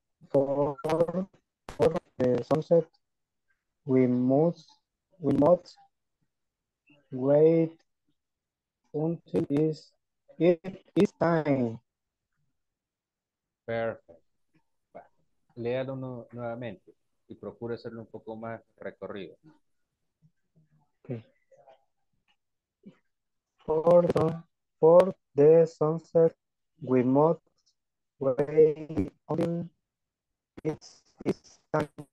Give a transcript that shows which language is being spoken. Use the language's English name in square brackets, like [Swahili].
[English] For the sunset, we must wait until it is time. Perfect. [Spanish] Léalo nuevamente y procure hacerlo un poco más recorrido. [English] Okay. For the sunset, we must wait until it is time.